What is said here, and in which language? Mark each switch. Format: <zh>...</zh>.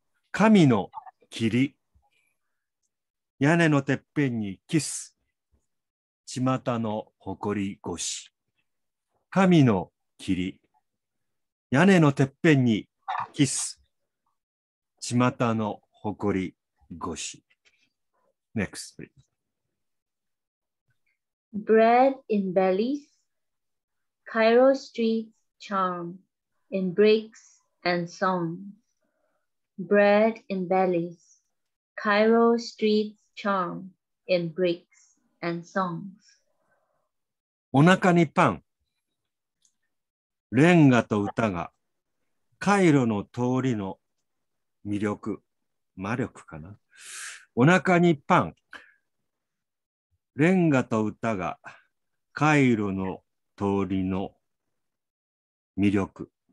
<ja>神の霧、屋根のてっぺんにキス、巷の埃越し。神の霧、屋根のてっぺんにキス、巷の埃越し。</ja> <en>Next, please. Bread in bellies, Cairo Street's charm in breaks and songs. Bread in bellies, Cairo Street's charm in breaks and songs.</en> <ja>お腹にパン、レンガと歌が、カイロの通りの魅力、魔力かな。お腹にパン、レンガと歌が、カイロの通りの魅力。</ja>